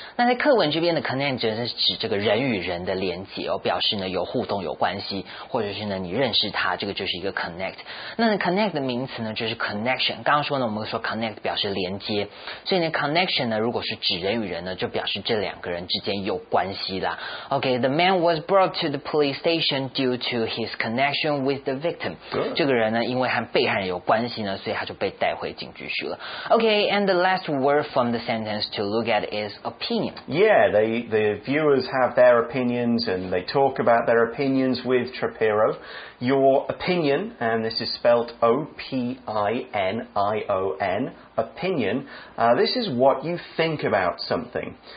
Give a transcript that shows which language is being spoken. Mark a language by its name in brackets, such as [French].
[Chinese] 那在课文这边的 connect 就是指这个人与人的连接，表示呢有互动有关系，或者是呢你认识他，这个就是一个 connect。那 connect 的名词呢就是 connection， 刚刚说呢我们说 connect 表示连接，所以呢 connection 呢如果是指人与人呢，就表示这两个人之间有关系啦。 [English] OK, the man was brought to the police station due to his connection with the victim. Good. [Chinese] 这个人呢因为还被害人有关系呢，所以他就被带回警局去了。 [English] OK, and the last word from the sentence to look at is opinion. Yeah, the viewers have their opinions and they talk about their opinions with Trapero. Your opinion, and this is spelled O-P-I-N-I-O-N, opinion, this is what you think about something.